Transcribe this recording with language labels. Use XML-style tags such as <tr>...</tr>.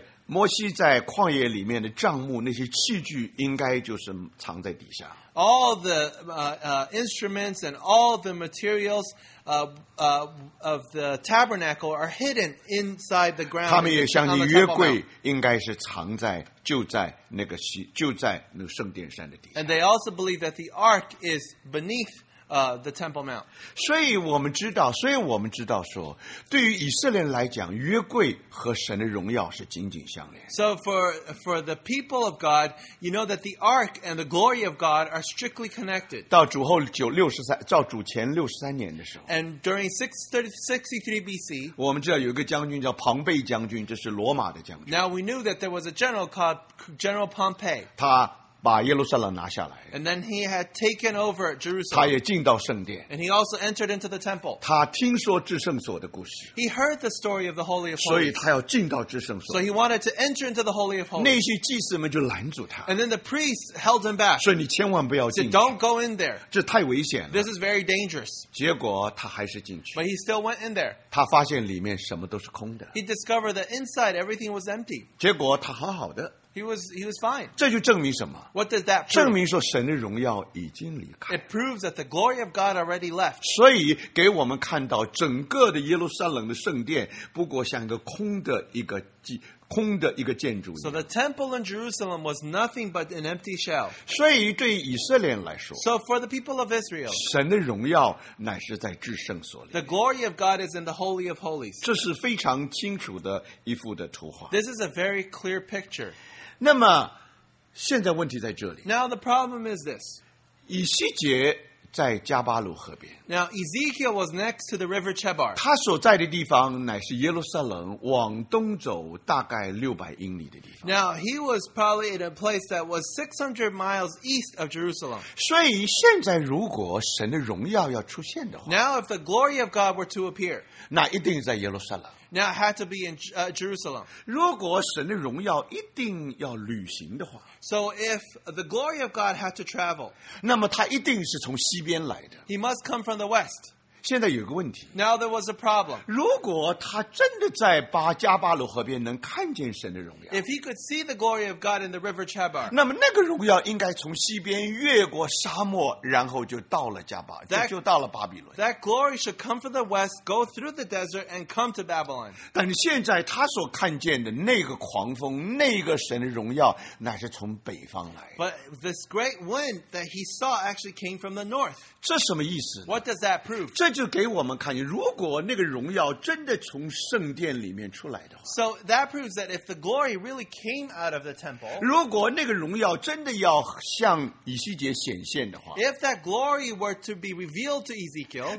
<zh>摩西在旷野里面的帐幕那些器具应该就是藏在底下。</zh> <en>All the instruments and all the materials of the tabernacle are hidden inside the ground.</en> <zh>他们也相信约柜应该是藏在就在那个圣殿山的底下。</zh> <en>And they also believe that the ark is beneath the Temple Mount.</en> <zh>所以我们知道说，对于以色列人来讲，约柜和神的荣耀是紧紧相连。</zh> <en>So for the people of God, you know that the Ark and the glory of God are strictly connected.</en> <zh>到主后到主前63年的时候</zh> <en>，And during 63 BC,</en> <zh>我们知道有一个将军叫庞贝将军，这是罗马的将军。</zh> <en>Now we knew that there was a general called General Pompey.</en> <zh>他把耶路撒冷拿下来</zh> <en>And then he had taken over Jerusalem.</en> <zh>他也进到圣殿</zh> <en>And he also entered into the temple.</en> <zh>他听说至圣所的故事</zh> <en>He heard the story of the Holy of Holies.</en> <zh>所以他要进到至圣所</zh> <en>So he wanted to enter into the Holy of Holies.</en> <zh>那些祭司们就拦住他</zh> <en>And then the priests held him back.</en> <zh>说你千万不要进去</zh> <en>So don't go in there.</en> <zh>这太危险了</zh> <en>This is very dangerous.</en> <zh>结果他还是进去</zh> <en>But he still went in there.</en> <zh>他发现里面什么都是空的</zh> <en>He discovered that inside everything was empty.</en> <zh>结果他好好的</zh> <en>He was fine.</en> <zh>这就证明什么</zh> <en>What does that prove?</en> <zh>证明说神的荣耀已经离开。</zh> <en>It proves that the glory of God already left.</en> <zh>所以给我们看到整个的耶路撒冷的圣殿不过像一个空的一个建筑。</zh> <en>So the temple in Jerusalem was nothing but an empty shell.</en> <zh>所以对以色列人来说</zh> <en>So for the people of Israel,</en> <zh>神的荣耀乃是在至圣所里面。</zh> <en>The glory of God is in the Holy of Holies.</en> <zh>这是非常清楚的一幅的图画。</zh> <en>This is a very clear picture.</en> <zh>那么现在问题在这里。</zh> <en>Now the problem is this.</en> <zh>以西结在加巴鲁河边。</zh> <en>Now Ezekiel was next to the river Chebar.</en> <zh>他所在的地方乃是耶路撒冷往东走大概600英里的地方。</zh> <en>Now he was probably in a place that was 600 miles east of Jerusalem.</en> <zh>所以现在如果神的荣耀要出现的话。</zh> <en>Now if the glory of God were to appear.</en> <zh>那一定在耶路撒冷。</zh> <en>Now it had to be in Jerusalem.</en> <zh>如果神的荣耀一定要旅行的话</zh> <en>So if the glory of God had to travel,</en> <zh>那么他一定是从西边来的</zh> <en>He must come from the west.</en> <zh>现在有个问题。</zh> <en>Now there was a problem.</en> <zh>如果他真的在巴加巴鲁河边能看见神的荣耀。</zh> <en>If he could see the glory of God in the river Chebar.</en> <zh>那么那个荣耀应该从西边越过沙漠然后就到了加巴 就到了巴比伦。</zh> <en>That glory should come from the west, go through the desert, and come to Babylon.</en> <zh>但现在他所看见的那个狂风那个神的荣耀那是从北方来。</zh> <en>But this great wind that he saw actually came from the north.</en> <zh>这什么意思呢</zh> <en>What does that prove?</en> <zh>这就给我们看见，如果那个荣耀真的从圣殿里面出来的话。</zh> <en>So that proves that if the glory really came out of the temple.</en> <zh>如果那个荣耀真的要向以西结显现的话。</zh> <en>If that glory were to be revealed to Ezekiel.</en>